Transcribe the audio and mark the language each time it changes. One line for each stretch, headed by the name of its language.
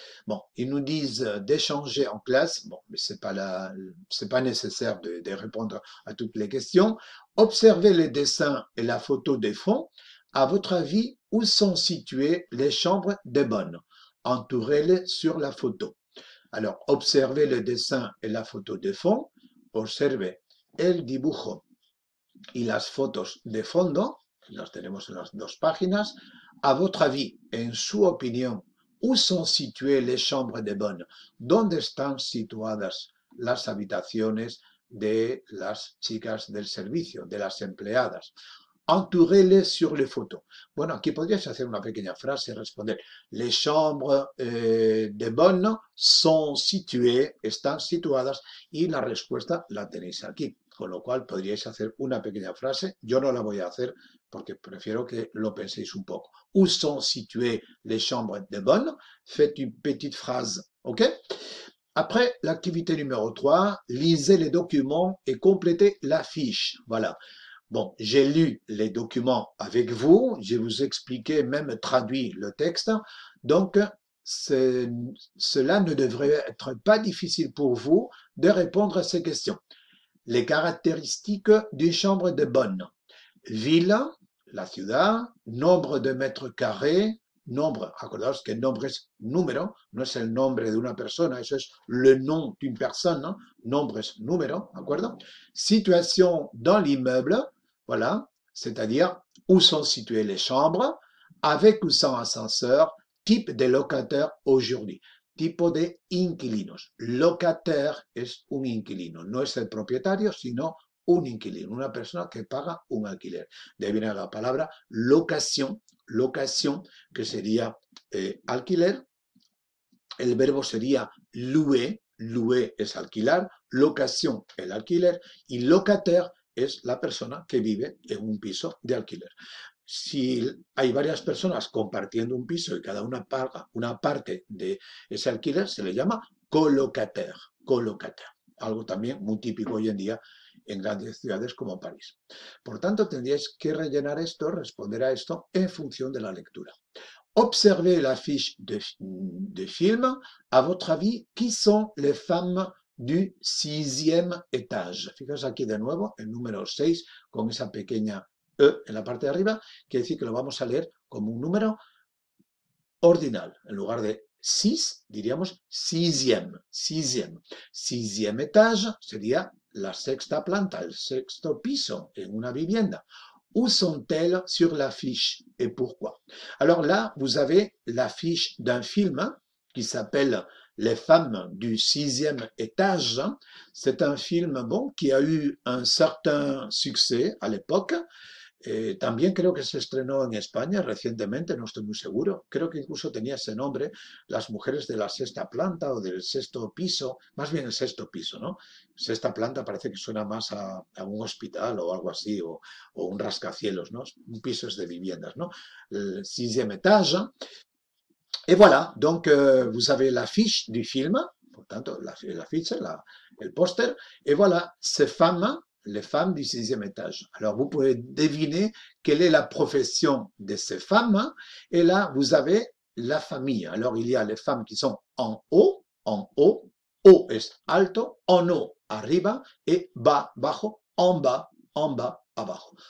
French: Bon, ils nous disent d'échanger en classe, bon, mais c'est pas nécessaire de répondre à toutes les questions. Observez les dessins et la photo des fonds. À votre avis, où sont situées les chambres des bonnes? Entourez-les sur la photo. Alors, observez le dessin et la photo de fond.
Spanish: Observez el dibujo y las fotos de fondo. Las tenemos en las dos páginas.
French: À votre avis,
Spanish: en su opinión,
French: où sont situées les chambres de bonne?
Spanish: ¿Dónde están situadas las habitaciones de las chicas del servicio, de las empleadas?
French: Entourez-les sur les photos.
Spanish: Bueno, aquí podrías hacer una pequeña frase y responder.
French: Les chambres de bonne sont situées,
Spanish: están situadas, y la respuesta la tenéis aquí. Con lo cual podríais hacer una pequeña frase. Yo no la voy a hacer porque prefiero que lo penséis un poco.
French: Où sont situées les chambres de bonne? Faites une petite phrase, ¿ok? Après, l'activité numéro 3, lisez les documents et complétez la fiche. Voilà. Bon, j'ai lu les documents avec vous, je vous ai expliqué, même traduit le texte. Donc, cela ne devrait être pas difficile pour vous de répondre à ces questions. Les caractéristiques d'une chambre de bonne.
Spanish: Ville, la ciudad,
French: nombre de mètres carrés,
Spanish: nombre, acordaos que nombre es número, no es el nombre de una persona, eso es
French: le nom d'une personne, hein?
Spanish: Nombre es número, acuerdo?
French: Situation dans l'immeuble, voilà, c'est-à-dire où sont situées les chambres, avec ou sans ascenseur, type de locataire aujourd'hui.
Spanish: Tipo de inquilinos. Locataire es un inquilino. No es el propietario, sino un inquilino. Una persona que paga un alquiler. De ahí viene la palabra locación. Locación, que sería alquiler. El verbo sería louer. Louer es alquilar. Locación, el alquiler. Y locataire es la persona que vive en un piso de alquiler. Si hay varias personas compartiendo un piso y cada una paga una parte de ese alquiler, se le llama colocataire, colocataire. Algo también muy típico hoy en día en grandes ciudades como París. Por tanto, tendríais que rellenar esto, responder a esto en función de la lectura.
French: Observez la fiche de film. À votre avis, qui sont les femmes du sixième étage?
Spanish: Fijaos aquí de nuevo el número 6 con esa pequeña E en la parte de arriba, quiere decir que lo vamos a leer como un número ordinal. En lugar de 6, diríamos sixième, sixième. Sixième étage sería la sexta planta, el sexto piso en una vivienda.
French: Où sont-elles sur l'affiche et pourquoi? Alors là, vous avez l'affiche d'un film qui s'appelle Les femmes du sixième étage. C'est un film bon, qui a eu un certain succès à l'époque.
Spanish: También creo que se estrenó en España recientemente, no estoy muy seguro. Creo que incluso tenía ese nombre, Las mujeres de la sexta planta o del sexto piso, más bien el sexto piso, ¿no? Sexta planta parece que suena más a un hospital o algo así, o un rascacielos, ¿no? Un piso es de viviendas, ¿no? El sixième étage.
French: Et voilà, donc vous avez l'affiche du film,
Spanish: por tanto, el póster.
French: Et voilà, ces femmes. Les femmes du sixième étage. Alors, vous pouvez deviner quelle est la profession de ces femmes. Et là, vous avez la famille. Alors, il y a les femmes qui sont en haut,
Spanish: haut es alto,
French: en haut, arriba, et bas, bajo, en bas, abajo.